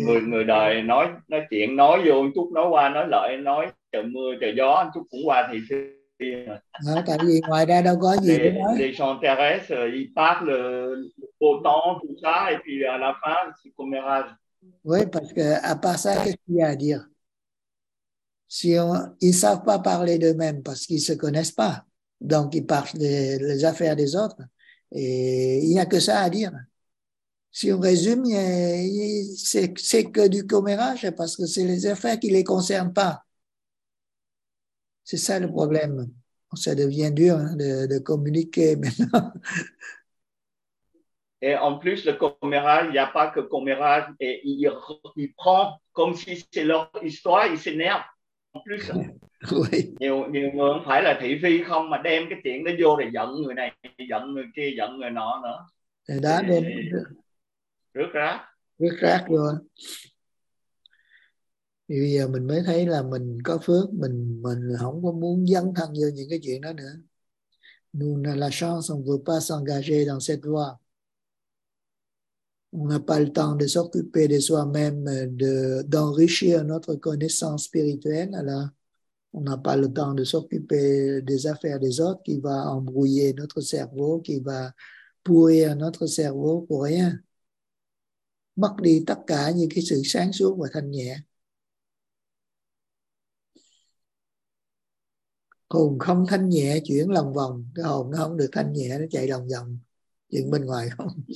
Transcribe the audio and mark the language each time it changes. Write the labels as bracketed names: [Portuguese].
[Vietnamese] người đời nói chuyện nói vô một chút, nói qua nói lại, nói trời mưa trời gió một chút cũng qua thị phi. À, tại vì ngoài ra đâu có gì để nói. [French] Les gens terrestres, ils parlent beau temps, tout ça, et puis à la fin, c'est commérage. Oui, parce que à part ça, qu'est-ce qu'il y a à dire? Si on, ils ne savent pas parler d'eux-mêmes parce qu'ils ne se connaissent pas. Donc, ils parlent des affaires des autres. Et il n'y a que ça à dire. Si on résume, c'est que du commérage parce que c'est les affaires qui ne les concernent pas. C'est ça le problème. Ça devient dur hein, de communiquer maintenant. Et en plus, le commérage, il n'y a pas que commérage. Et il prend comme si c'est leur histoire, il s'énerve. En plus, [Vietnamese] nhiều người không phải là thị phi không, mà đem cái chuyện đó vô để giận người này, giận người kia, giận người nọ nữa. Đó, đem rước rác. rất rác vô. Bây giờ mình mới thấy là mình có phước, mình không có muốn dấn thân vô những cái chuyện đó nữa. [French] Nous n'avons la chance, on ne veut pas s'engager dans cette voie. On n'a pas le temps de s'occuper de soi-même, d'enrichir notre connaissance spirituelle. Alors, on n'a pas le temps de s'occuper des affaires des autres qui va embrouiller notre cerveau, qui va pourrir notre cerveau pour rien. [Vietnamese] Mất đi tất cả những cái sự sáng suốt và thanh nhẹ. Hồn không thanh nhẹ chuyển lòng vòng, cái hồn nó không được thanh nhẹ, nó chạy lòng vòng chuyện bên ngoài không.